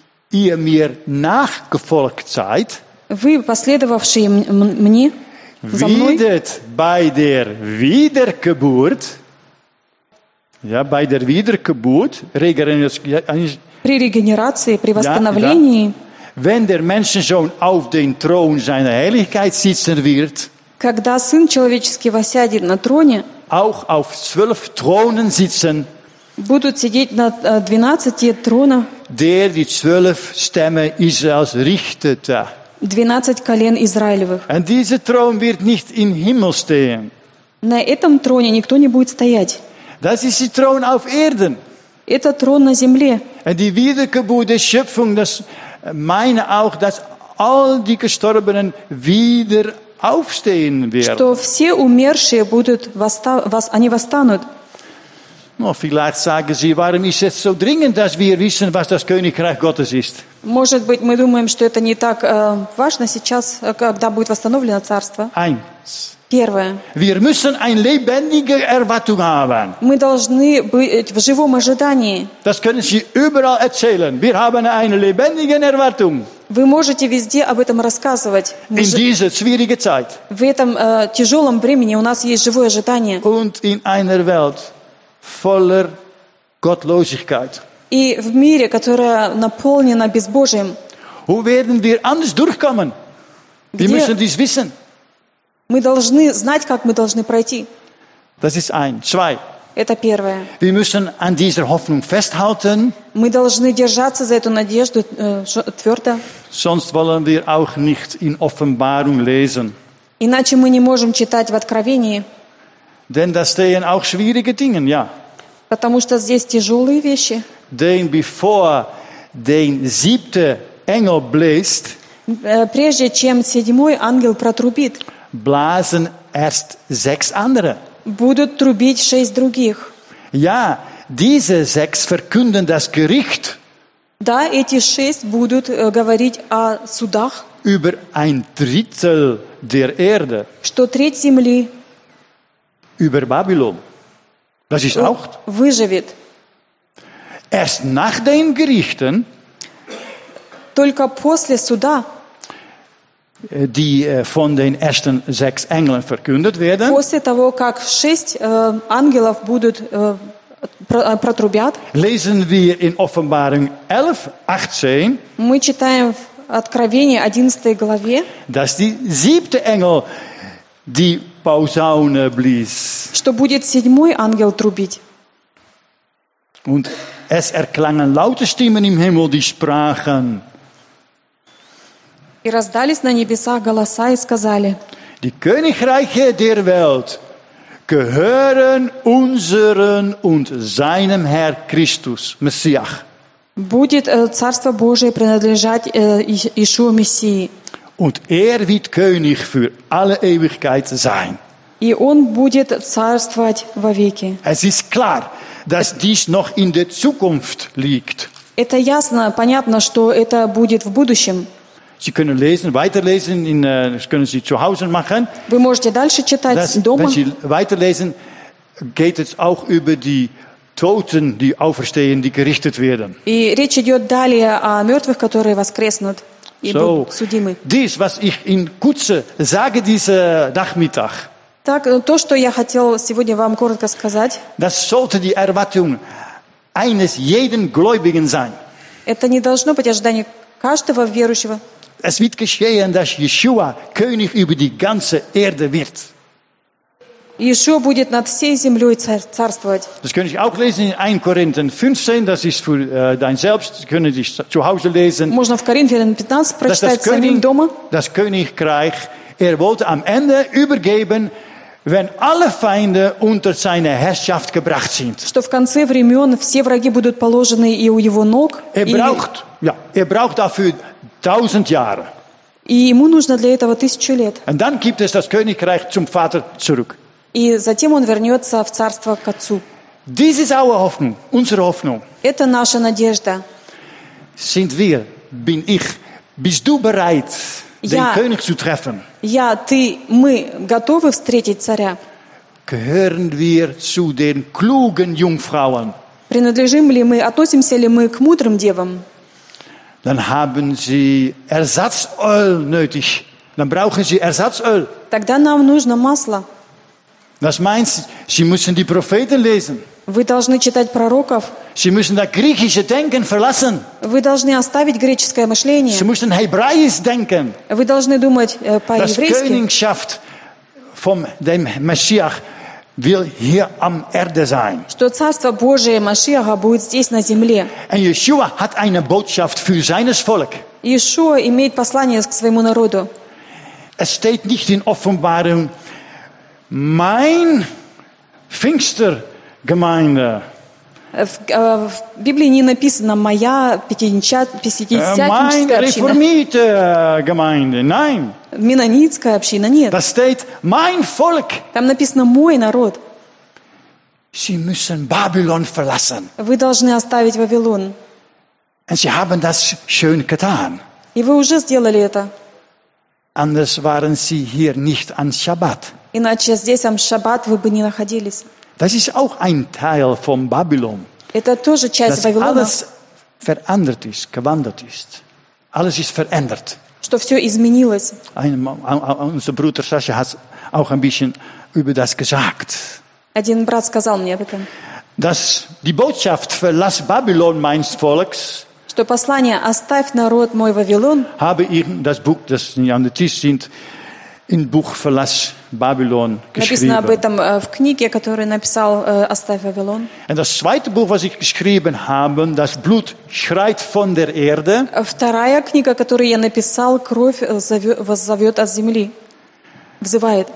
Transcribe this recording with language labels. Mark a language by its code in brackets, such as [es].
[de] Ihr mir nachgefolgt seid. [ru] Вы последовавшие мне. [de] Werdet bei der Wiedergeburt. Ja, bei der Wiedergeburt. [ru] При регенерации, при восстановлении. [de] Ja, wenn der Menschensohn auf den Thron seiner Herrlichkeit sitzen wird, [ru] когда Сын Человеческий воссядет на троне, [de] auch auf 12 Thronen sitzen, [ru] будут сидеть на 12 тронах, [de] der die 12 Stämme Israels richtete, [ru] 12 колен Израилевых. [de] Und dieser Thron wird nicht im Himmel stehen. [ru] На этом троне никто не будет стоять. [de] Das ist der Thron auf Erden. [ru] Это трон на земле. [de] Und die Wiedergeburt der Schöpfung, das meine auch, dass all die Gestorbenen wieder aufstehen werden. [ru] Что все умершие будут они восстанут. [de] No, vielleicht sagen Sie, warum ist es so dringend, dass wir wissen, was das Königreich Gottes ist? [ru] Может быть, мы думаем, что это не так важно сейчас, когда будет восстановлено царство. [de] Eins. [ru] Первое. [de] Wir müssen eine lebendige Erwartung haben. [ru] Мы должны быть в живом ожидании. [de] Das können Sie überall erzählen. Wir haben eine lebendige Erwartung. [ru] Вы можете везде об этом рассказывать. [de] In diese schwierige Zeit. [ru] В этом тяжелом времени у нас есть живое ожидание. [de] Und in einer Welt voller Gottlosigkeit. [ru] И в мире, которое наполнено безбожием. [de] Wo werden wir anders durchkommen? Wir müssen dies wissen. [ru] Мы должны знать, как мы должны пройти. [de] Das ist ein. Zwei. [ru] Это первое. [de] Wir müssen an dieser Hoffnung festhalten. [ru] Мы должны держаться за эту надежду твердо. [de] Sonst wollen wir auch nicht in Offenbarung lesen. [ru] Иначе мы не можем читать в Откровении. [de] Denn da stehen auch schwierige Dinge, ja. [ru] Потому что здесь тяжелые вещи. [de] Denn bevor den siebte Engel bläst, [ru] прежде чем седьмой ангел протрубит. [de] Blasen erst sechs andere. [ru] Будут трубить шесть других. [de] Ja, diese sechs verkünden das Gericht. [ru] Да, эти шесть будут говорить о судах. [de] Über ein Drittel der Erde. [ru] Что треть земли. [de] Über Babylon. Das ist auch. [ru] Выживет. [de] Erst nach den Gerichten. [ru] Только после суда. [de] Die von den ersten sechs Engeln verkündet werden. [ru] После того, как шесть ангелов будут протрубят. [de] Lesen wir in Offenbarung 11, 18. [ru] Мы читаем в Откровении 11 главе. [de] Dass die siebte Engel die Posaune blies. [ru] Что будет седьмой ангел трубить. [de] Und es erklangen laute Stimmen im Himmel, die sprachen. [ru] И раздались на небесах голоса и сказали: [de] Die Königreiche der Welt gehören unseren und seinem Herr Christus, Messias. [ru] Будет Царство Божие принадлежать Иешуа Мессии. [de] Und wird König für alle Ewigkeit sein. [ru] И он будет царствовать вовеки. [de] Es ist klar, dass dies noch in der Zukunft liegt. [ru] Это ясно, понятно, что это будет в будущем. [de] Sie können lesen, weiterlesen, in, können Sie zu Hause machen. [ru] Вы можете дальше читать [de] das, [ru] дома. [de] Wenn Sie weiterlesen, geht es auch über die Toten, die auferstehen, die gerichtet werden. [ru] И речь идет далее о мертвых, которые воскреснут и [de] so, [ru] будут судимы. [de] Dies, was ich in Kutze sage, diese Nachmittag. [ru] Так, то, что я хотел сегодня вам коротко сказать. [de] Das sollte die Erwartung eines jeden Gläubigen sein. [ru] Это не должно быть ожидание каждого верующего. [de] Es wird geschehen, dass Yeshua König über die ganze Erde wird. [ru] Yeshua будет над всей землей царствовать. [de] Das könnte ich auch lesen in 1 Korinther 15, das ist für dein selbst, das können Sie zu Hause lesen. [ru] Можно в Коринфянам 15 прочитать самим дома. [de] Das Königreich, wollte am Ende übergeben, wenn alle Feinde unter seine Herrschaft gebracht sind. [ru] Что в конце времен все враги будут положены и у его ног. [de] Er braucht dafür 1000 Jahre. [ru] И ему нужно для этого 1000 лет. [de] Und dann gibt es das Königreich zum Vater zurück. [ru] И затем он вернется в царство к отцу. [de] Dies ist [en] our [de] Hoffnung, unsere Hoffnung. [ru] Это наша надежда. [de] Sind wir, bin ich, bist du bereit, den König zu treffen? Ja, [ru] ты, мы готовы встретить царя? [de] Gehören wir zu den klugen Jungfrauen? [ru] Принадлежим ли мы, относимся ли мы к мудрым девам? [de] Dann haben sie Ersatzöl nötig. Dann brauchen sie Ersatzöl. [ru] Тогда нам нужно масло. [de] Was meinst du? Sie müssen die Propheten lesen. [ru] Вы должны читать пророков. [de] Sie müssen das griechische Denken verlassen. [ru] Вы должны оставить греческое мышление. [de] Sie müssen hebräisch denken. [ru] Вы должны думать по-еврейски. [de] Das Königschaft von dem Messias will hier am Erde sein. [ru] Что царство Божие Машиаха будет здесь на земле. [en] And [de] Yeshua hat eine Botschaft für seines Volk. [ru] Yeshua имеет послание к своему народу. [de] Es steht nicht in Offenbarung, mein Pfingstergemeinde. [ru] В Библии не написано моя пятидесятническая община. [de] Mein reformierte Gemeinde. Nein. [ru] Меннонитская община, нет. [de] Da steht mein Volk. [ru] Там написано мой народ. [de] Sie müssen Babylon verlassen. [ru] Вы должны оставить Вавилон. [de] Und sie haben das schön getan. [ru] И вы уже сделали это. [de] Anders waren sie hier nicht an Shabbat. [ru] Иначе здесь [de] am Shabbat [ru] вы бы не находились. [de] Das ist auch ein Teil von Babylon. [ru] Это тоже часть [de] dass [ru] Вавилона. [de] Alles verändert ist, gewandert ist. Alles ist verändert. [ru] Что все изменилось. [de] Unser Bruder Sascha hat auch ein bisschen über das gesagt. [ru] Один брат сказал мне об этом. [de] Dass die Botschaft verlass Babylon meines Volks. [ru] Что послание оставь народ мой Вавилон. [de] Habe ich das Buch, das an der Tisch sind, in Buch verlass Babylon geschrieben. [ru] Написано об этом в книге, которую написал оставь Вавилон. [de] Und das zweite Buch, was ich geschrieben habe, das Blut schreit von der Erde. [ru] Вторая книга, которую я написал, кровь воззовет от земли, взывает.